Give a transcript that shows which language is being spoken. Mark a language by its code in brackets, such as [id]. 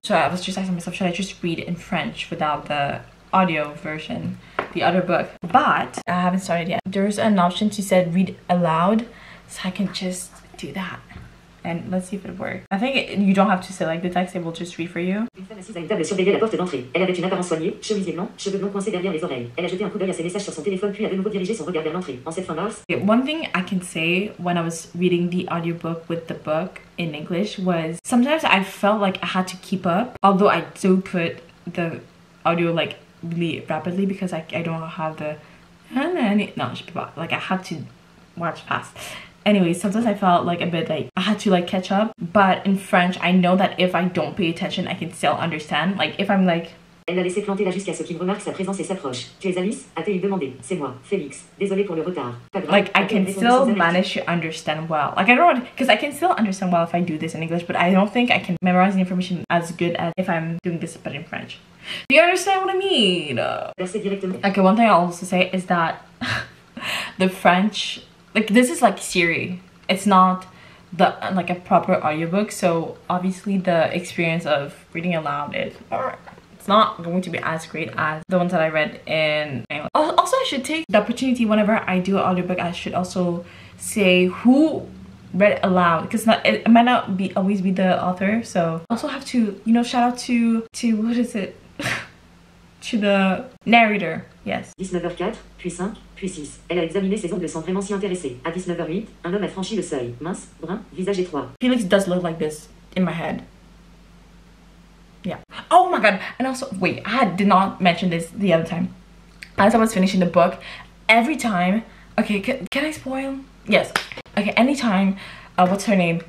[en] So I was just asking myself, should I just read in French without the audio version, the other book? But I haven't started yet. There's an option to said read aloud, so I can just do that. And let's see if it works. I think you don't have to say like the text, it will just read for you. [fr] Une femme assise à une table surveillait la porte d'entrée. Elle avait une apparence soignée, chemise blanc, cheveux blonds coincés derrière les oreilles. Elle a jeté un coup d'œil à ses messages sur son téléphone, puis a de nouveau dirigé son regard vers l'entrée. En cette fin mars. [en] One thing I can say when I was reading the audiobook with the book in English was sometimes I felt like I had to keep up, although I do put the audio like really rapidly because I don't have the... No, like I have to watch fast. Anyway, sometimes I felt like a bit like I had to like catch up. But in French, I know that if I don't pay attention, I can still understand. Like if I'm like... [fr] Elle l'a laissé planter là jusqu'à ce qu'il remarque sa présence et s'approche. Tu es Alice? A-t-elle lui demandé? C'est moi, Félix. Désolé pour le retard. [en] Like I can still manage to understand well. Like I don't, because I can still understand well if I do this in English, but I don't think I can memorize the information as good as if I'm doing this but in French. Do you understand what I mean? Okay, one thing I'll also say is that the French, like this is like Siri. It's not the like a proper audiobook, so obviously the experience of reading aloud is, it's not going to be as great as the ones that I read in English. Also, I should take the opportunity whenever I do an audiobook, I should also say who read aloud, because it might not be always be the author. So also have to, you know, shout out to what is it? To the narrator, yes. [fr] 19h04, puis 5, puis 6. Elle a examiné ses ongles sans vraiment s'y intéresser. À 19h08, un homme a franchi le seuil. Mince, brun, visage étroit. [en] Felix does look like this in my head. Yeah. Oh my god. And also, wait, I did not mention this the other time. As I was finishing the book, every time... Okay, can I spoil? Yes. Okay, anytime, what's her name?